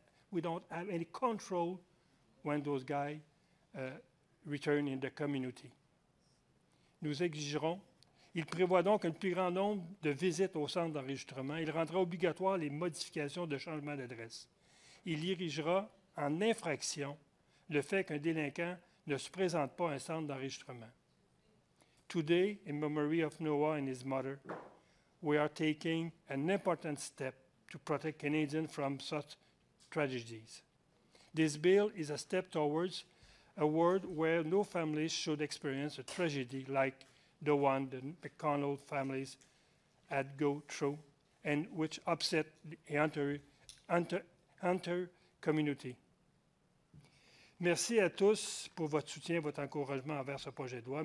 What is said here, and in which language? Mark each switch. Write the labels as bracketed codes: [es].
[en] We don't have any control when those guys return in the community. [fr] Nous exigerons. Il prévoit donc un plus grand nombre de visites au centre d'enregistrement. Il rendra obligatoire les modifications de changement d'adresse. Il érigera en infraction le fait qu'un délinquant ne se présente pas à un centre d'enregistrement. [en] Today, in memory of Noah and his mother, we are taking an important step to protect Canadians from such tragedies. This bill is a step towards a world where no families should experience a tragedy like the one the McConnell families had go through, and which upset the entire community. [fr] Merci à tous pour votre soutien, votre encouragement envers ce projet de loi.